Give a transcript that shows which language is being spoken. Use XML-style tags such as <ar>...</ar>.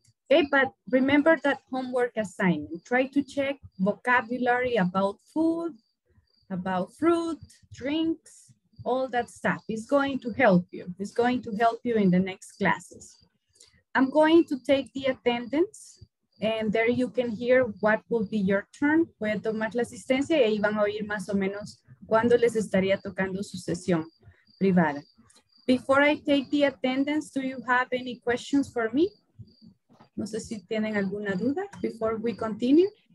<en>Okay, but remember that homework assignment. Try to check vocabulary about food, about fruit, drinks, all that stuff. It's going to help you. It's going to help you in the next classes. I'm going to take the attendance, and there you can hear what will be your turn.</en> <es>Voy a tomar la asistencia y ahí van a oír más o menos cuándo les estaría tocando su sesión privada.</es> <en>Before I take the attendance, do you have any questions for me?</en> <es>No sé si tienen alguna duda</es> <en>before we continue.</en>